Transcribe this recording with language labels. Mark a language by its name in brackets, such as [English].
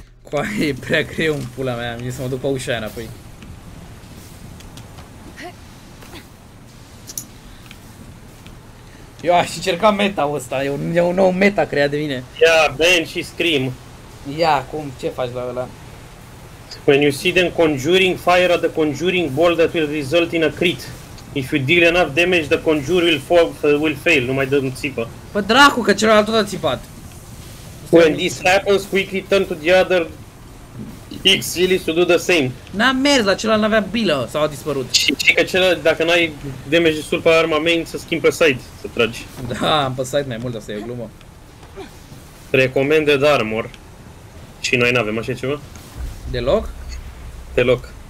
[Romanian] Coaie, e prea greu în pula mea, mi-e să mă duc pe ușa aia înapoi. Eu aș încerca meta-ul ăsta, e un nou meta creat de mine. Ia, yeah, ban și scream. Ia, [English] yeah, [Romanian] cum, ce faci la ăla? [English] When you see them conjuring fire at the conjuring ball that will result in a crit. If you deal enough damage, the conjure will fail, [Romanian] nu mai dă un țipă. Pă dracu, că celălalt tot a țipat. [English] When this happens, quickly turn to the other exilis to do the same. [Romanian] N-a mers, dar celălalt n-avea bilă sau a dispărut. Și ce că celălalt, dacă n-ai damage destul pe arma main, să schimbi pe side, să tragi. Da, am pe side mai mult, asta e o glumă. [English] Recommended armor. [Romanian] Și noi n-avem așa ceva? Deloc? Deloc.